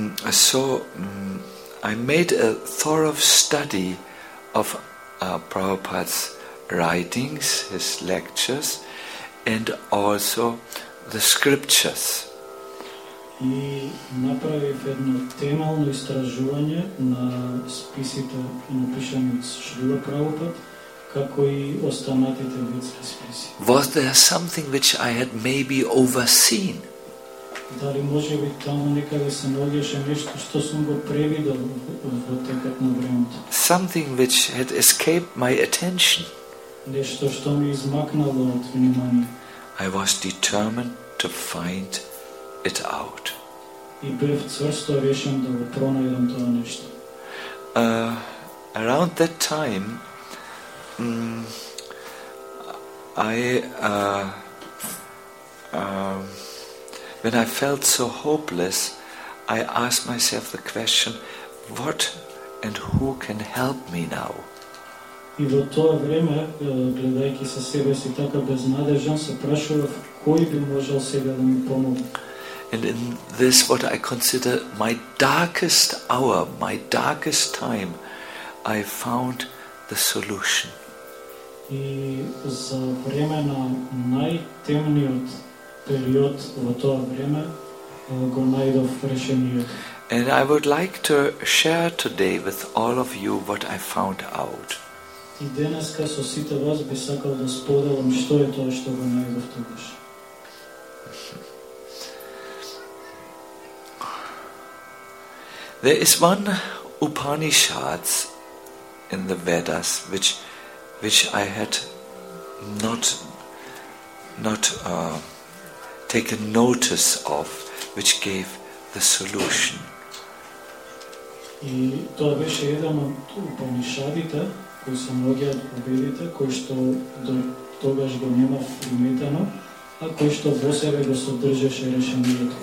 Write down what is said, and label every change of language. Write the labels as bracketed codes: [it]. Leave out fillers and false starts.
[en] So I made a thorough study of Prabhupada's writings, his lectures, and also the scriptures. [mk] И направив едно темално истражување на списите напишани од Шрила Прабхупад, како и останатите ведски списи. [en] Was there something which I had maybe overseen? [mk] Дали може би таму некаде се наоѓаше нешто што сум го превидел во текот на времето? [en] Something which had escaped my attention. [mk] Нешто што ми измакнало од внимание. [en] I was determined to find it out. [mk] И бев цврсто решен да го пронајдам тоа нешто. [en] Around that time, when I felt so hopeless, I asked myself the question, what and who can help me now? [mk] И во тоа време, гледајќи со себе си така безнадежен, се прашував кој би можел сега да ми помогне. [en] And in this, what I consider my darkest hour, my darkest time, I found the solution. [mk] И за време на најтемниот период во тоа време го најдов решението. [en] And I would like to share today with all of you what I found out. [mk] И денеска со сите вас би сакал да споделам што е тоа што го најдов тогаш. [en] There is one Upanishad in the Vedas which I had not taken notice of, which gave the solution. [mk] И тоа беше еден од Упанишадите кои се наоѓаат во Ведите, кој што до тогаш го немав приметено, а кој што во себе го содржеше решението.